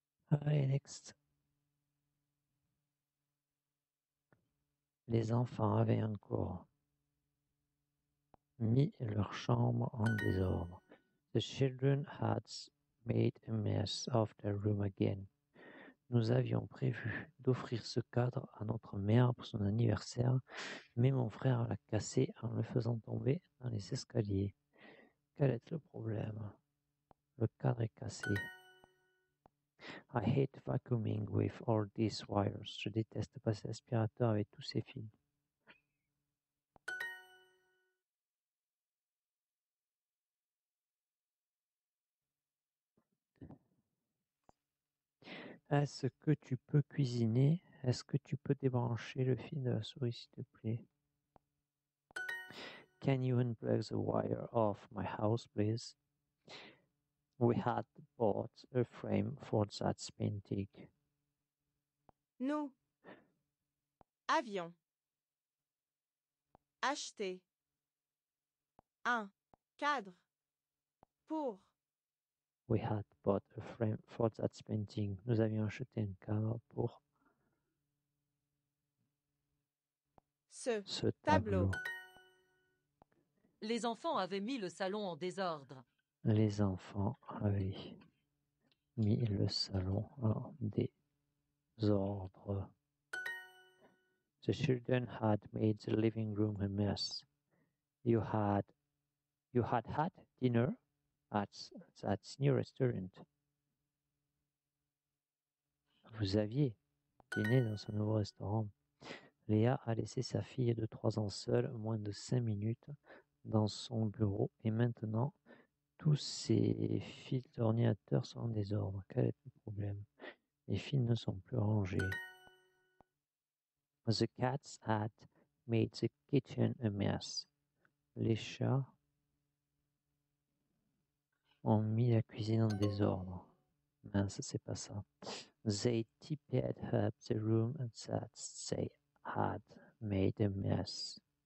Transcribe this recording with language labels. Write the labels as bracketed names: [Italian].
[English] Allez, next. [French] Les enfants avaient encore mis leur chambre en désordre. [English] The children had made a mess of the room again. [French] Nous avions prévu d'offrir ce cadre à notre mère pour son anniversaire, mais mon frère l'a cassé en le faisant tomber dans les escaliers. Quel est le problème? Le cadre est cassé. [English] I hate vacuuming with all these wires. [French] Je déteste passer l'aspirateur avec tous ces fils. Est-ce que tu peux cuisiner? Est-ce que tu peux débrancher le fil de la souris, s'il te plaît? [English] Can you unplug the wire off my house, please? We had bought a frame for that painting. [French] Nous avions acheté un cadre pour. [English] We had bought a frame for that painting. [French] Nous avions acheté un cadre pour ce tableau. Les enfants avaient mis le salon en désordre. Les enfants avaient mis le salon en désordre. [English] The children had made the living room a mess. You had dinner at that new restaurant. [French] Vous aviez dîné dans ce nouveau restaurant. Léa a laissé sa fille de 3 ans seule moins de 5 minutes dans son bureau et maintenant tous ces fils d'ordinateur sont en désordre. Quel est le problème? Les fils ne sont plus rangés. [English] The cats had made the kitchen a mess. [French] Les chats ont mis la cuisine en désordre. Mince, c'est pas ça. [English] They tipped up the room and that they had made a mess.